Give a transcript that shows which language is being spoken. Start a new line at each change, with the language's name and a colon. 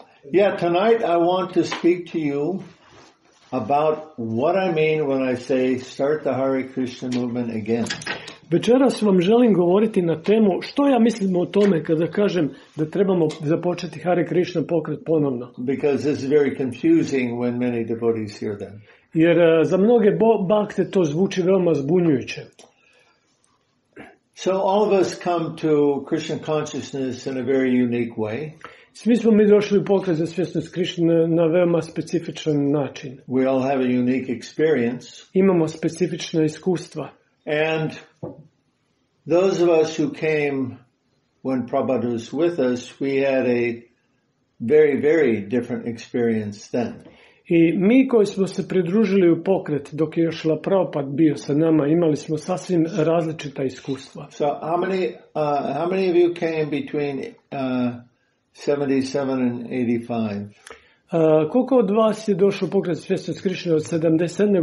English: Yeah, tonight I want to speak to you about what I mean when I say start the Hare Krishna movement again.
Croatian: Večeras vam želim govoriti na temu što ja mislim o tome kada kažem da trebamo započeti Hare Krishna pokret ponovno.
English: Because this is very confusing when many devotees hear that.
Croatian: Jer za mnoge bhakte to zvuči veoma zbunjujuće.
English: So all of us come to Krishna consciousness in a very unique way.
Croatian: Svi smo mi došli u pokret za svjesnost Krišne na veoma specifičan način.
English: We all have a unique experience.
Croatian: Imamo specifična iskustva.
English: And those of us who came when Prabhupada was with us, we had a very, very different experience then.
Croatian: I mi koji smo se pridružili u pokret dok je Šrila Prabhupada bio sa nama, imali smo sasvim različita iskustva.
English: So how many of you came between 77 and 85.
Croatian: Koliko od vas je došlo pokret svjesnosti Krišne od 77.